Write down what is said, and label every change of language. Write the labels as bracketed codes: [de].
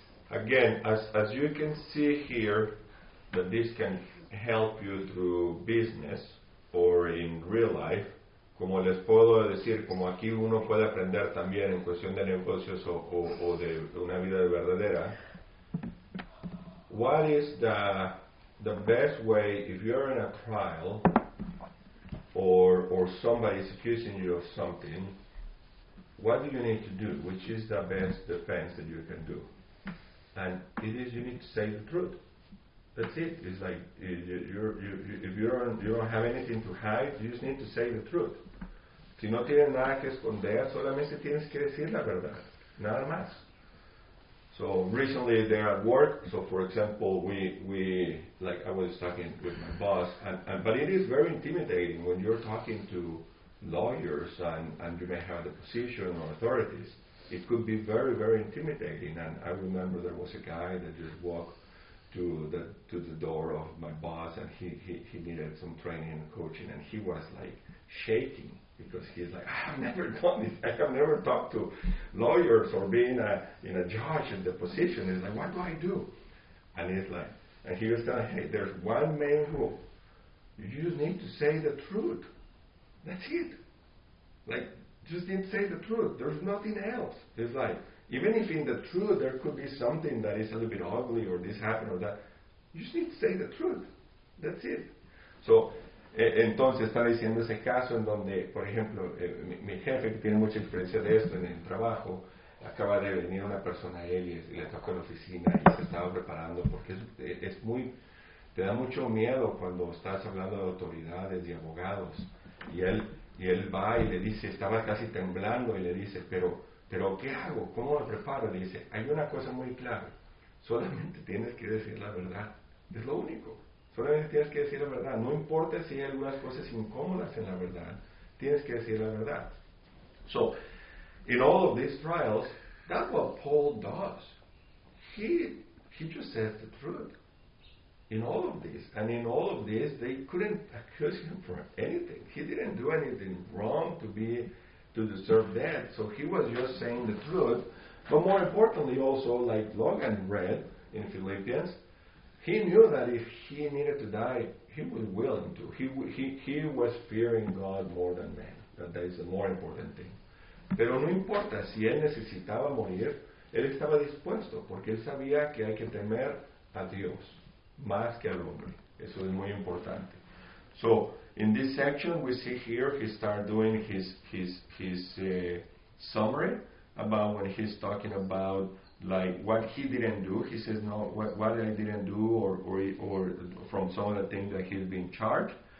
[en] Again, as you can see here, that this can help you through business or in real life. [es] Como les puedo decir, como aquí uno puede aprender también en cuestión de negocios o de una vida verdadera. [en] What is the best way if you're in a trial or somebody is accusing you of something? What do you need to do? Which is the best defense that you can do? And it is, you need to say the truth. That's it. It's like, if you don't have anything to hide, you just need to say the truth. [es] Si no tienes nada que esconder, solamente tienes que decir la verdad. Nada más. [en] So recently they're at work. So for example, like I was talking with my boss, but it is very intimidating when you're talking to lawyers and you may have the position or authorities. It could be very, very intimidating. And I remember there was a guy that just walked to the door of my boss, and he needed some training and coaching, and he was like shaking. Because he's like, I have never done this. I have never talked to lawyers or being a judge in the position. He's like, what do I do? And he's like, and he was telling, hey, there's one main rule. You just need to say the truth. That's it. Like, just need to say the truth. There's nothing else. He's like, even if in the truth there could be something that is a little bit ugly or this happened or that, you just need to say the truth. That's it. [es] So, entonces está diciendo ese caso en donde, por ejemplo, mi jefe, que tiene mucha experiencia de esto en el trabajo, acaba de venir una persona a él y le tocó en la oficina y se estaba preparando, porque es muy, te da mucho miedo cuando estás hablando de autoridades y abogados, y él va y le dice, estaba casi temblando, y le dice, pero ¿qué hago? ¿Cómo me preparo? Le dice, hay una cosa muy clara, solamente tienes que decir la verdad, es lo único. Solamente tienes que decir la verdad. No importa si hay algunas cosas incómodas en la verdad, tienes que decir la verdad. [en] So, in all of these trials, that's what Paul does. He just says the truth. In all of this, and in all of this, they couldn't accuse him for anything. He didn't do anything wrong to deserve death. So he was just saying the truth. But more importantly also, like Logan read in Philippians, he knew that if he needed to die, he was willing to. He was fearing God more than man. That is the more important thing. [es] Pero no importa si él necesitaba morir, él estaba dispuesto, porque él sabía que hay que temer a Dios más que al hombre. Eso es muy importante. [en] So, in this section we see here he started doing his summary about when he's talking about like what he didn't do. He says, no, what I didn't do, or from some of the things that he's been charged.